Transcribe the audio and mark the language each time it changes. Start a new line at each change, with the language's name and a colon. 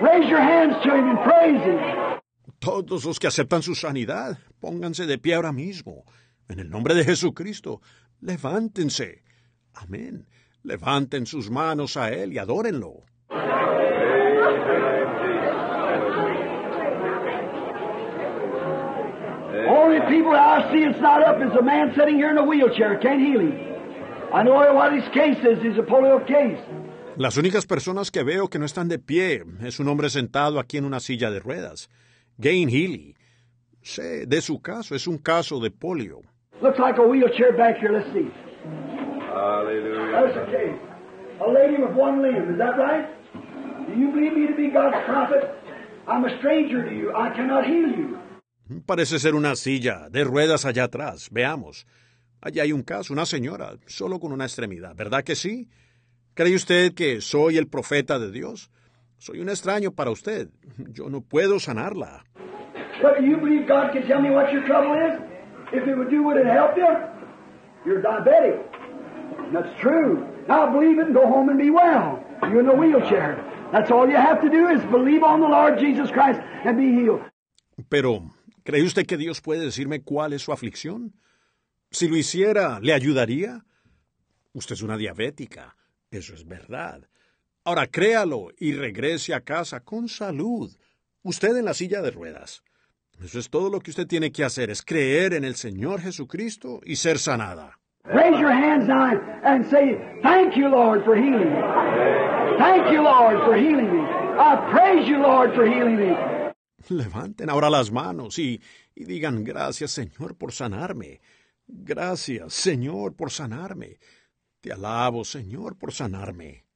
English: Raise your hands to him and praise him.
Spanish: Todos los que aceptan su sanidad, pónganse de pie ahora mismo. En el nombre de Jesucristo, levántense. Amén. Levanten sus manos a él y adórenlo. Oh,
English: only people I see it's not up is a man sitting here in a wheelchair. Can't heal him. I know what his case is. He's a polio case.
Spanish: Las únicas personas que veo que no están de pie es un hombre sentado aquí en una silla de ruedas. Gain Healy. Sé de su caso. Es un caso de polio.
English: Looks like a wheelchair back here. Let's see. Hallelujah. That's the case. A lady with one limb. Is that right? Do you believe me to be God's prophet? I'm a stranger to you. I cannot heal you.
Spanish: Parece ser una silla de ruedas allá atrás. Veamos. Allí hay un caso, una señora, solo con una extremidad. ¿Verdad que sí? ¿Cree usted que soy el profeta de Dios? Soy un extraño para usted. Yo no puedo sanarla.
English: But do you believe God can tell me what your trouble is? If it would do, would it help you? You're diabetic. That's true. Now believe it and go home and be well. You're in a wheelchair. That's all you have to do is believe on the Lord Jesus Christ and be healed.
Spanish: Pero, ¿cree usted que Dios puede decirme cuál es su aflicción? Si lo hiciera, ¿le ayudaría? Usted es una diabética. Eso es verdad. Ahora créalo y regrese a casa con salud. Usted en la silla de ruedas. Eso es todo lo que usted tiene que hacer, es creer en el Señor Jesucristo y ser sanada.
English: Raise your hands now and say, thank you, Lord, for healing me. Thank you, Lord, for healing me. I praise you, Lord, for healing me.
Spanish: Levanten ahora las manos y digan, gracias, Señor, por sanarme. Gracias, Señor, por sanarme. Te alabo, Señor, por sanarme.